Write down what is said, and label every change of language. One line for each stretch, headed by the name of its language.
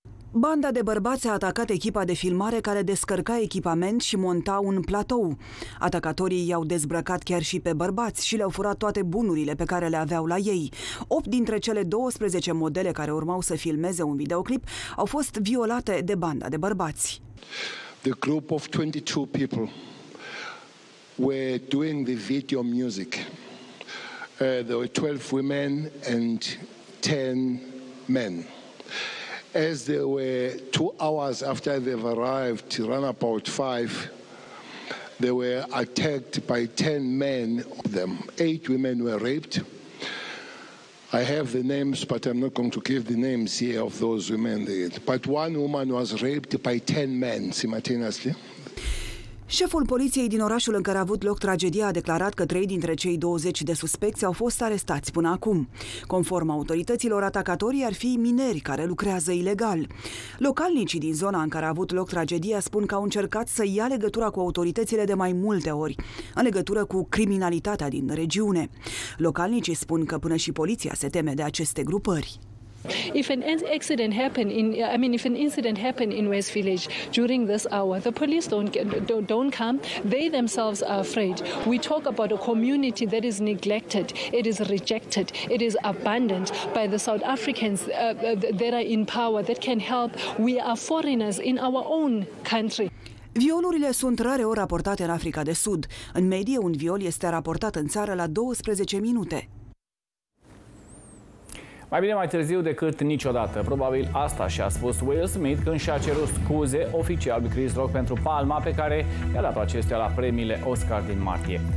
Romanian: Banda de bărbați a atacat echipa de filmare care descărca echipament și monta un platou. Atacatorii i-au dezbrăcat chiar și pe bărbați și le-au furat toate bunurile pe care le aveau la ei. 8 dintre cele 12 modele care urmau să filmeze un videoclip au fost violate de banda de bărbați.
English: The group of 22 people were doing the video music. There were 12 women and 10 men. As they were 2 hours after they've arrived, around about 5, they were attacked by 10 men of them. 8 women were raped. I have the names, but I'm not going to give the names here of those women. But one woman was raped by 10 men simultaneously.
Romanian: Șeful poliției din orașul în care a avut loc tragedia a declarat că 3 dintre cei 20 de suspecți au fost arestați până acum. Conform autorităților, atacatorii ar fi mineri care lucrează ilegal. Localnicii din zona în care a avut loc tragedia spun că au încercat să ia legătura cu autoritățile de mai multe ori, în legătură cu criminalitatea din regiune. Localnicii spun că până și poliția se teme de aceste grupări.
English: If an accident happened in, I mean, if an incident happened in West Village during this hour, the police don't come. They themselves are afraid. We talk about a community that is neglected. It is rejected. It is abandoned by the South Africans that are in power that can help. We are foreigners in our own country.
Romanian: Violurile sunt rare ori raportate în Africa de Sud. În medie, un viol este raportat în țară la 12 minute. Mai bine mai târziu decât niciodată. Probabil asta și-a spus Will Smith când și-a cerut scuze oficial lui Chris Rock pentru palma pe care i-a dat acestea la premiile Oscar din martie.